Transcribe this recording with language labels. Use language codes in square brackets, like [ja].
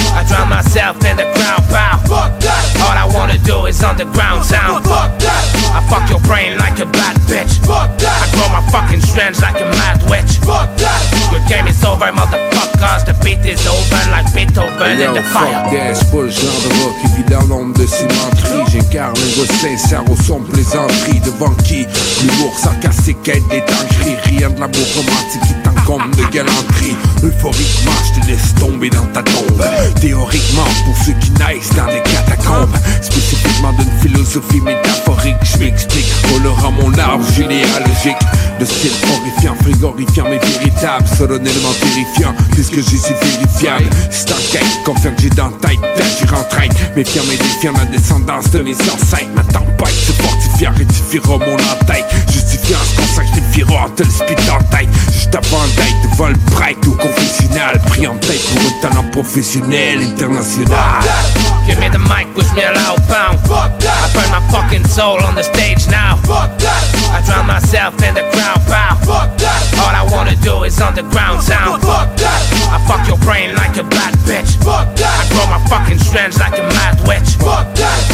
[en] I drown myself in the crowd, pow. Fuck that. All I wanna do is underground sound. Fuck that. I fuck your brain like a bad bitch. Fuck that. I grow my fucking strands like a mad witch. Fuck that. Your game is over, motherfuckers. The beat is over like Beethoven in the fire. Fuck that. [fr] C'est pas le genre de rock qui vit dans l'ombre de cimenterie. J'incarne un gosse sincère au son plaisanterie. Devant qui l'humour sarcastique aide des dingueries. Rien de l'amour romantique qui t'encombre de galanterie. Euphoriquement, je te laisse tomber dans ta tombe. Théoriquement, pour ceux qui naissent dans les catacombes. Spécifiquement d'une philosophie métaphorique, je m'explique. Colorant mon arbre généalogique. De style horrifiant, frigorifiant, mais véritable. Solennellement terrifiant, puisque je suis vérifiable. Si t'enquêtes, confirme que j'ai dans ta tête. D'agir en traite, méfiant, mais défiant la descendance de mes ancêtres. Ma tempête se fortifia, rétifiera mon entête. Justifiant ce qu'on sacrifiera en te le spit en tête. Juste avant d'être devant le prêtre ou confessionnal. Pris en tête pour un talent professionnel international. [en] Give me the mic, wish me a loud pound. Fuck that. I burn my fucking soul on the stage now. Fuck that. I drown myself in the crowd, pow. Fuck that. All I wanna do is underground sound. Fuck that. I fuck your brain like a bad bitch. Fuck that. I grow my fucking strands like a mad witch. Fuck that.